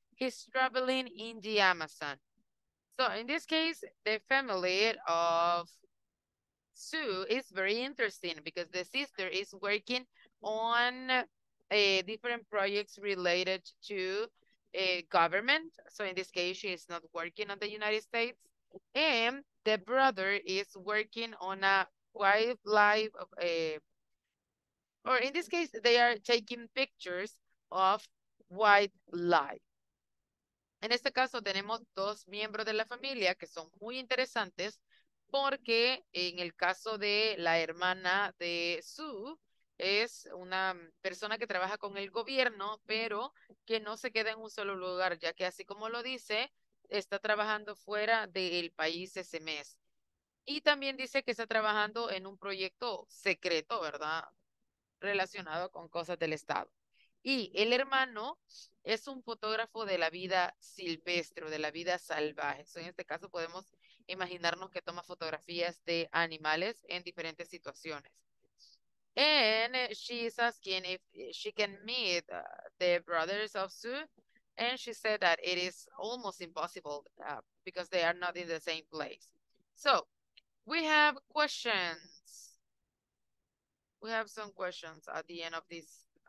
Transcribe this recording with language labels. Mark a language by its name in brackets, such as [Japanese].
[English] He's traveling in the Amazon. So in this case, the family of Sue is very interesting because the sister is working on a different projects related to a government. So in this case, she is not working on the United States. And the brother is working on a wildlife, or in this case, they are taking pictures of wildlife. [Spanish] En este caso tenemos dos miembros de la familia que son muy interesantes porque en el caso de la hermana de Sue es una persona que trabaja con el gobierno pero que no se queda en un solo lugar ya que así como lo dice, está trabajando fuera del país ese mes. Y también dice que está trabajando en un proyecto secreto, ¿verdad? Relacionado con cosas del Estado. Y el hermano es un fotógrafo de la vida silvestre, de la vida salvaje. So en este caso podemos imaginarnos que toma fotografías de animales en diferentes situaciones. [English] And she is asking if she can meet the brothers of Sue. And she said that it is almost impossible because they are not in the same place. So we have questions. We have some questions at the end of this.